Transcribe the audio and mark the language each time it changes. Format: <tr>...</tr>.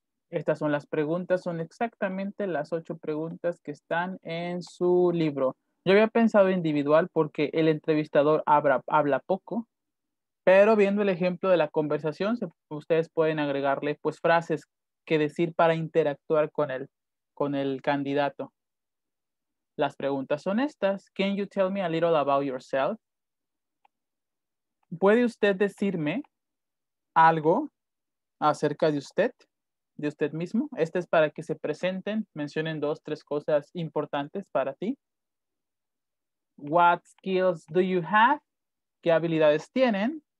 <es>Estas son las preguntas, son exactamente las 8 preguntas que están en su libro. Yo había pensado individual porque el entrevistador habla poco, pero viendo el ejemplo de la conversación, ustedes pueden agregarle pues frases que decir para interactuar con el candidato. Las preguntas son estas.</es> <en>Can you tell me a little about yourself?</en> <es>¿Puede usted decirme algo acerca de usted mismo? Este es para que se presenten, mencionen 2, 3 cosas importantes para ti.</es> <en>What skills do you have?</en> <es>¿Qué habilidades tienen?</es>